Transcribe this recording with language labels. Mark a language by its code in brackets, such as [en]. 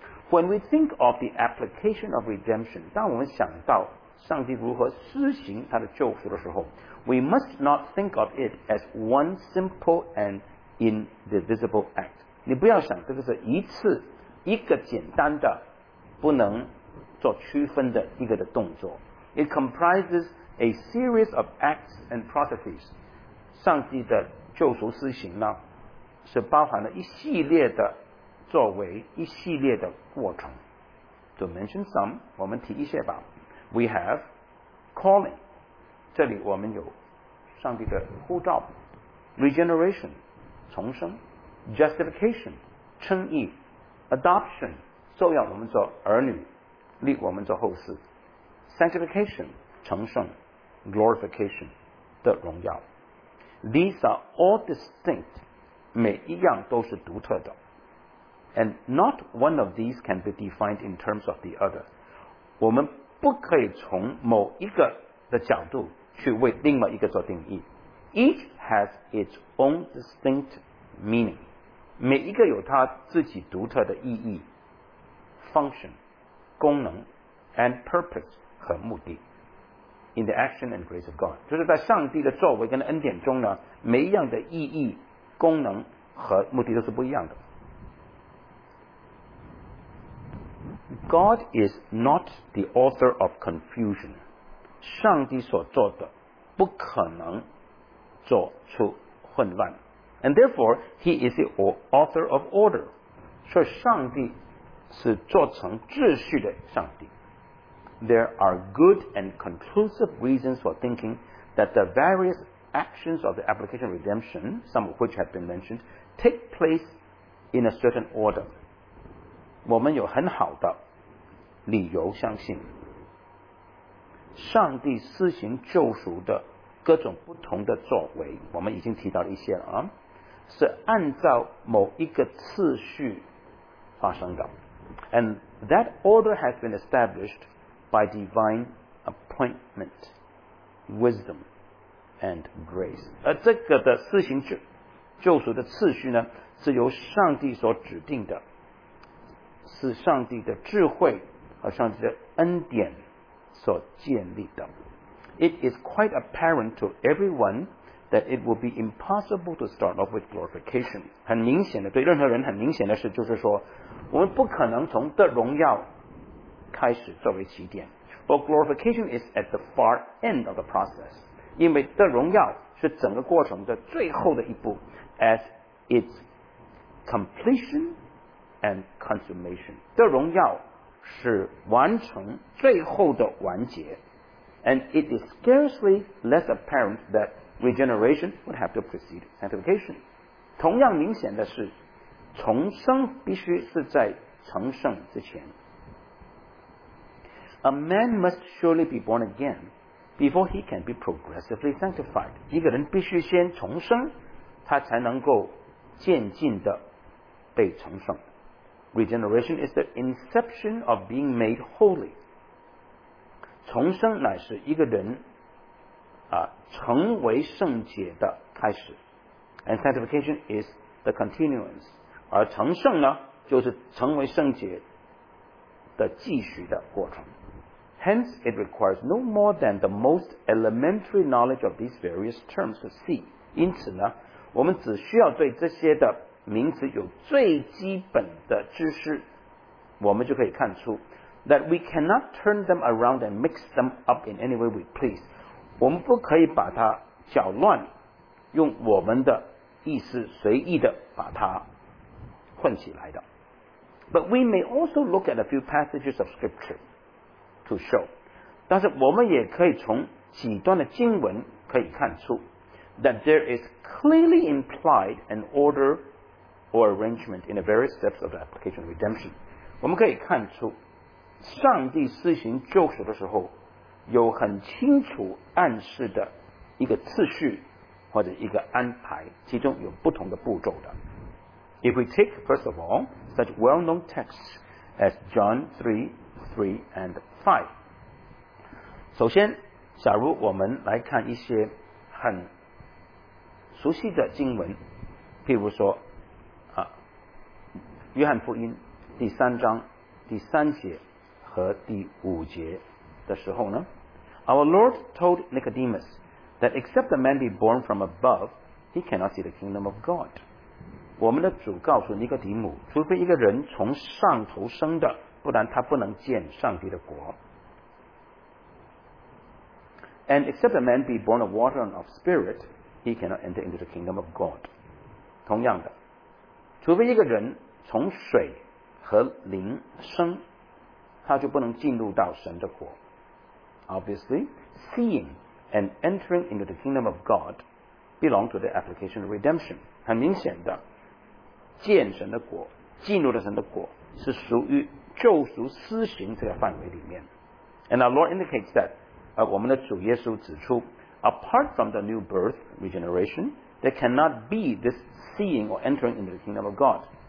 [en] When we think of the application of redemption, [zh] 当我们想到上帝如何施行他的救赎的时候， [en] we must not think of it as one simple and indivisible act. [zh] 你不要想这个是一次一个简单的不能做区分的一个的动作。 [en] It comprises a series of acts and processes. [zh] 上帝的救赎施行呢，是包含了一系列的作为，一系列的过程。 [en] To mention some, [zh] 我们提一些吧。 [en] We have calling. [zh] 这里我们有上帝的呼召。 [en] Regeneration, 重生。 Justification, 称义。 [zh] Adoption, 受养我们做儿女，立我们做后嗣。 [en] Sanctification, 成圣。 Glorification, 的荣耀。 These are all distinct. [zh] 每一样都是独特的。 [en] And not one of these can be defined in terms of the other. [zh] 我们不可以从某一个的角度去为另外一个做定义。 [en] Each has its own distinct meaning. [zh] 每一个有它自己独特的意义、function、功能 [en] and purpose [zh] 和目的。 [en] In the action and grace of God. [zh] 就是在上帝的作为跟恩典中呢，每一样的意义、功能和目的都是不一样的。 [en] God is not the author of confusion. [zh] 上帝所做的不可能做出混乱。 [en] And therefore, he is the author of order. [zh] 所以上帝是做成秩序的上帝。 [en] There are good and conclusive reasons for thinking that the various actions of the application of redemption, some of which have been mentioned, take place in a certain order. [zh] 我们有很好的理由相信上帝施行救赎的各种不同的作为，我们已经提到了一些了，是按照某一个次序发生的。 [en] And that order has been established by divine appointment, wisdom, and grace. [zh] 而这个的施行救赎的次序呢，是由上帝所指定的，是上帝的智慧和上帝的恩典所建立的。 [en] It is quite apparent to everyone that it will be impossible to start off with glorification. [zh] 很明显的，对任何人很明显的是，就是说我们不可能从的荣耀开始作为起点。 [en] For glorification is at the far end of the process. [zh] 因为的荣耀是整个过程的最后的一步， [en] as its completion and consummation. [zh] 的荣耀是完成最后的完结。 [en] And it is scarcely less apparent that regeneration would have to precede sanctification. [zh] 同样明显的是，重生必须是在成圣之前。 [en] A man must surely be born again before he can be progressively sanctified. [zh] 一个人必须先重生，他才能够渐进的被成圣。 [en] Regeneration is the inception of being made holy. [zh] 重生乃是一个人成为圣洁的开始。 [en] And sanctification is the continuance. [zh] 而成圣呢，就是成为圣洁的继续的过程。 [en] Hence, it requires no more than the most elementary knowledge of these various terms to see. [zh] 因此呢，我们只需要对这些的名词有最基本的知识，我们就可以看出 [en] that we cannot turn them around and mix them up in any way we please. [zh] 我们不可以把它搅乱，用我们的意思随意的把它混起来的。 [en] But we may also look at a few passages of scripture to show. 但是我们也可以从几段的经文可以看出 that there is clearly implied an order or arrangement in the various steps of the application of redemption. [zh] 我们可以看出上帝施行救赎的时候有很清楚暗示的一个次序或者一个安排，其中有不同的步骤的。 [en] If we take first of all such well known texts as John 3:3-5， [zh] 首先假如我们来看一些很熟悉的经文，譬如说约翰福音第三章第三节和第五节的时候呢， [en] Our Lord told Nicodemus that except a man be born from above, he cannot see the kingdom of God. [zh] 我们的主告诉尼哥底母，除非一个人从上头生的，不然他不能见上帝的国。 [en] And except a man be born of water and of spirit, he cannot enter into the kingdom of God. [zh] 同样的，除非一个人从水和灵生，他就不能进入到神的国。 [en] Obviously, seeing and entering into the kingdom of God belong to the application of redemption. [zh] 很明显的，见神的国，进入了神的国，是属于救赎施行这个范围里面。 [en] And our Lord indicates that, [zh] 我们的主耶稣指出， [en] apart from the new birth, regeneration, there cannot be this seeing or entering into the kingdom of God.